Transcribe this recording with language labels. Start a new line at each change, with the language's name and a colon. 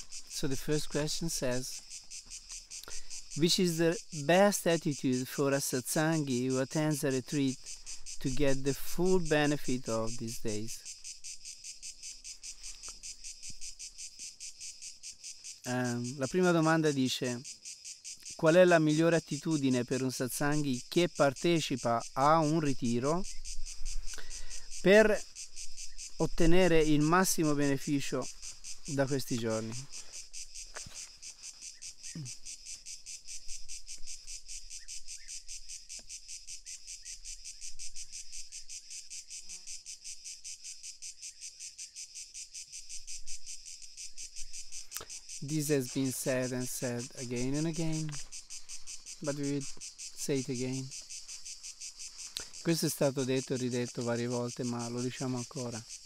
English: So the first question says, which is the best attitude for a satsangi who attends a retreat to get the full benefit of these days?
Italian: La prima domanda dice, qual è la migliore attitudine per un satsangi che partecipa a un ritiro per ottenere il massimo beneficio da questi giorni?
English: This has been said and said again and again, but we will say it again.
Italian: Questo è stato detto e ridetto varie volte, ma lo diciamo ancora.